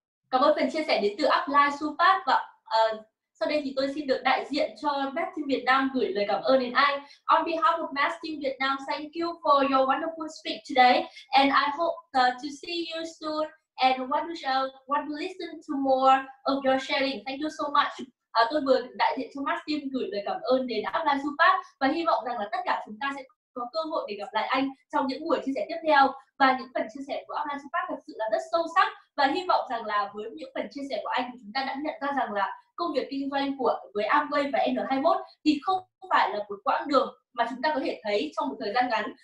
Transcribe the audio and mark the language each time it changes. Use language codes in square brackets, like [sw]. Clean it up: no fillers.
[vi] Cảm ơn phần chia sẻ đến từ Upline Supat. Và sau đây thì tôi xin được đại diện cho Best Team Việt Nam gửi lời cảm ơn đến anh. [en] On behalf of Best Team Việt Nam, thank you for your wonderful speech today, and I hope to see you soon and want to listen to more of your sharing. Thank you so much. [vi] Tôi vừa đại diện cho Best Team gửi lời cảm ơn đến Upline Supat và hy vọng rằng là tất cả chúng ta sẽ có cơ hội để gặp lại anh trong những buổi chia sẻ tiếp theo. Và những phần chia sẻ của Upline Supat thật sự là rất sâu sắc, và hy vọng rằng là với những phần chia sẻ của anh thì chúng ta đã nhận ra rằng là công việc kinh doanh của với Amway và N21 thì không phải là một quãng đường mà chúng ta có thể thấy trong một thời gian ngắn.